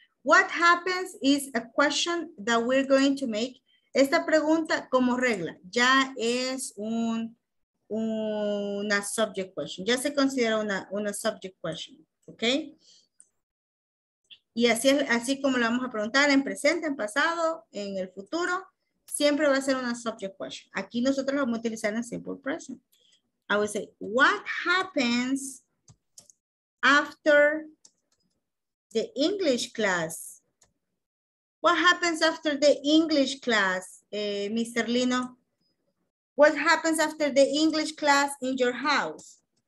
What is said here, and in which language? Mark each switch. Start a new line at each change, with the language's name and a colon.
English: What happens is a question that we're going to make.
Spanish: Esta pregunta, como regla, ya es una subject question. Ya se considera una subject question. ¿Ok? Y así como la vamos a preguntar en presente, en pasado, en el futuro, siempre va a ser una subject question. Aquí nosotros lo vamos a utilizar en simple present.
English: I would say, what happens after the English class? What happens after the English class, Mr. Lino? What happens after the English class in your house?